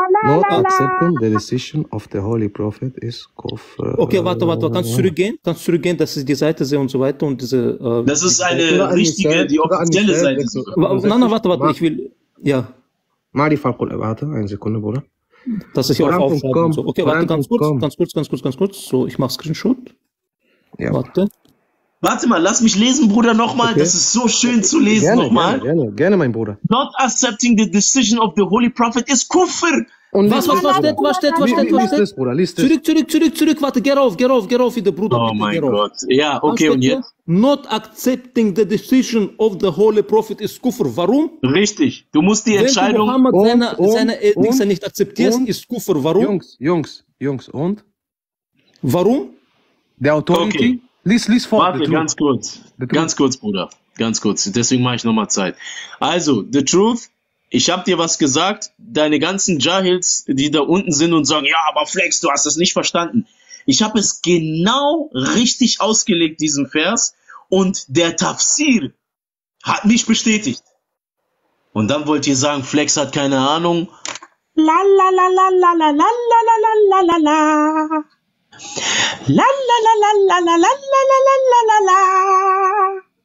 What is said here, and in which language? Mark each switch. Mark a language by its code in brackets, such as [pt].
[en] Not accepting the decision of the Holy Prophet is kufr. [de] Okay, warte. Kannst du zurückgehen? Kannst du zurückgehen, dass ich die Seite sehe und so weiter? Und diese. Das ist eine richtige, die offizielle Seite. Nein, warte. Ich will. Ja. Ma'arif al-Quran. Warte, eine Sekunde, Bruder. Dass ich auch aufschreibe. So. Okay, warte ganz kurz. So, ich mache Screenshot. Ja. Warte mal, lass mich lesen, Bruder, nochmal. Okay. Das ist so schön zu lesen, nochmal. Gerne, mein Bruder. [en] Not accepting the decision of the Holy Prophet is Kufr. [de] Und was steht? Bruder, lies das. Zurück. Warte, geh rauf wieder, Bruder. Oh bitte, mein Gott. Ja, okay, und jetzt? [en] Not accepting the decision of the Holy Prophet is Kufr. [de] Warum? Richtig. Du musst die Entscheidung... Wenn du Mohammed seine nicht akzeptierst, ist Kufr. Warum? Jungs, und? Warum? Der Autorität. Okay. Lies vor. Warte, ganz kurz, Bruder. Ganz kurz. Deswegen mache ich nochmal Zeit. Also, [en] the truth [de] Ich habe dir was gesagt, deine ganzen Jahils, die da unten sind und sagen, ja, aber Flex, du hast das nicht verstanden. Ich habe es genau richtig ausgelegt, diesen Vers, und der Tafsir hat mich bestätigt. Und dann wollt ihr sagen, Flex hat keine Ahnung. La la la la la la la la la la la la la. La la la la la la la la la la la la la.